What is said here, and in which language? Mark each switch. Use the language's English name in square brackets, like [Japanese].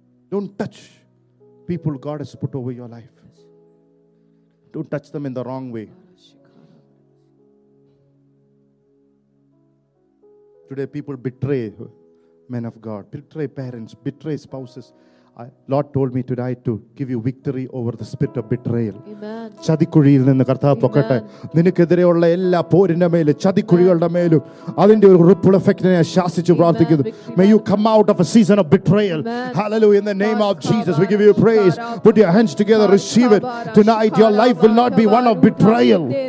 [English] Don't touch people God has put over your life. Don't touch them in the wrong way. Today people betray men of God, betray parents, betray spouses. Lord told me today to give you victory over the spirit of betrayal. [Malayalam] ചതിക്കുഴിയിൽ നിന്ന് കർത്താവ് പൊക്കട്ടെ. നിനക്കെതിരെയുള്ള എല്ലാ പോരിന്റെ മേലും ചതിക്കുഴികളുടെ മേലും അതിന്റെ ഒരു ripple എഫക്റ്റിനെ ശാസിച്ച് പ്രാർത്ഥിക്കുന്നു. [English] May you come out of a season of betrayal. Hallelujah. In the name of Jesus, we give you praise. Put your hands together, receive it. Tonight your life will not be one of betrayal.